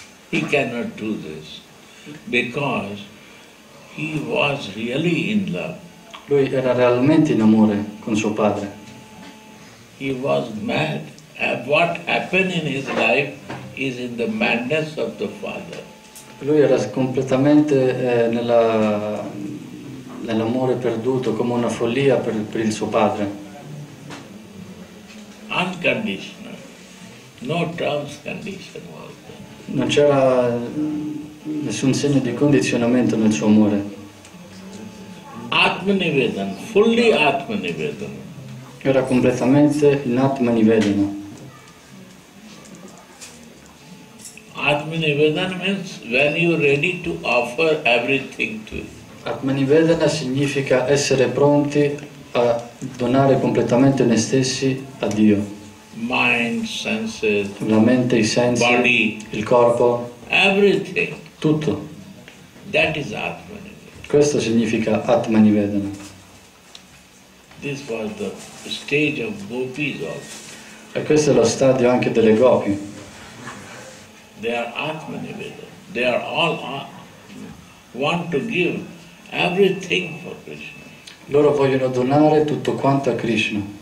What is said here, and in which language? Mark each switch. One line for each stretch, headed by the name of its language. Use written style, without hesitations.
English: He cannot do this because he was really in love.
Italian: Lui era realmente in amore con suo padre.
English: He was mad. What happened in his life is in the madness of the father.
Italian: Lui era completamente nell'amore perduto, come una follia per il suo padre.
English: Unconditional, no terms condition.
Italian: Non c'era nessun segno di condizionamento nel suo amore.
English: Atmanivedana, fully Atmanivedana.
Italian: Era completamente in Atmanivedana.
English: Atmanivedana means when you are ready to offer everything to him.
Italian: Atmanivedana significa essere pronti a donare completamente noi stessi a Dio.
English: Mind, senses,
Italian: la mente, i sensi,
English: body,
Italian: il corpo,
English: everything.
Italian: Tutto.
English: That is Atmanivedana.
Italian: Questo significa Atmanivedana.
English: This was the stage of gopis also.
Italian: E questo è lo stadio anche delle gopi.
English: They are Atmanivedana. They are all want to give everything for Krishna.
Italian: Loro vogliono donare tutto quanto a Krishna.